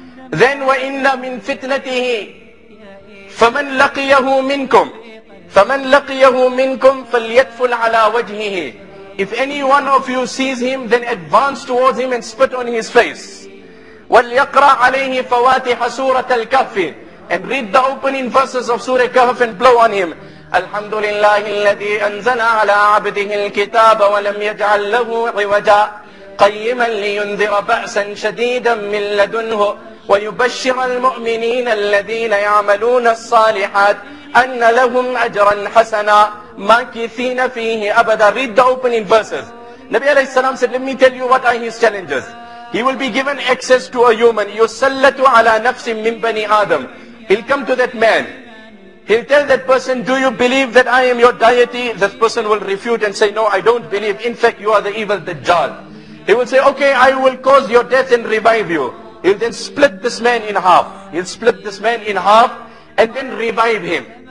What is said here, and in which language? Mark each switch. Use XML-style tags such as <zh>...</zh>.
<en>Then</en> <ar>وَإِنَّ مِنْ فِتْنَتِهِ فَمَنْ لَقِيَهُ مِنْكُمْ فَمَنْ لَقِيَهُ مِنْكُمْ فَلْيَتْفُلْ عَلَىٰ وَجْهِهِ</ar> <en>If any one of you sees him, then advance towards him and spit on his face.</en> <ar>وَلْيَقْرَ عَلَيْهِ فَوَاتِحَ سُورَةَ الْكَهْفِ</ar> <en>And read the opening verses of Surah Kahf and blow on him.</en> <ar>الْحَمْدُ لِلَّهِ الَّذِي أَنزَلَ عَلَىٰ عَبْدِهِ الْكِتَابَ وَلَمْ يَجْعَلْ لَهُ عِوَجًا قَيِّمًا لِيُنذِرَ بَأْسًا شَدِيدًا مِنْ لَدُنْهُ ويبشر المؤمنين الذين يعملون الصالحات أن لهم أجرا حسنا ماكثين فيه أبدا</ar> <en>Read the opening verses. Nabi alayhi salam said, let me tell you what are his challenges. He will be given access to a human.</en> <ar>يُسَلَّتُ عَلَى نَفْسٍ مِّن بَنِي آدَمْ</ar> <en>He'll come to that man. He'll tell that person, do you believe that I am your deity? That person will refute and say, no, I don't believe. In fact, you are the evil Dajjal. He will say, okay, I will cause your death and revive you. He'll then split this man in half. He'll split this man in half and then revive him.</en>